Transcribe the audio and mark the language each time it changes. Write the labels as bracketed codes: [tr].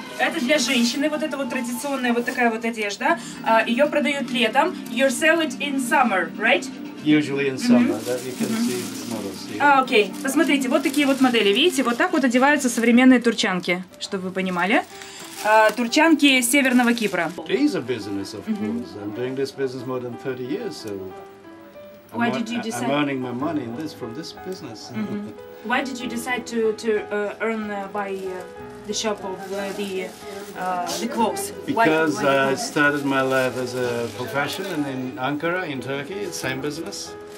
[ru] Это для женщины, вот эта вот традиционная вот такая вот одежда. Ее продают летом. [en] You sell it in summer, right? Usually in summer, that you can see the models here. [ru] Окей. Посмотрите, вот такие вот модели. Видите, вот так вот одеваются современные турчанки, чтобы вы понимали. Турчанки Северного Кипра. [en] He's a business, of course. I'm doing this business more than 30 years, so... Why did you decide... I'm earning my money in this, from this business. Mm-hmm. Why did you decide to earn by... the shop of the clothes. Because I started my life as a profession and in Ankara, in Turkey, same business.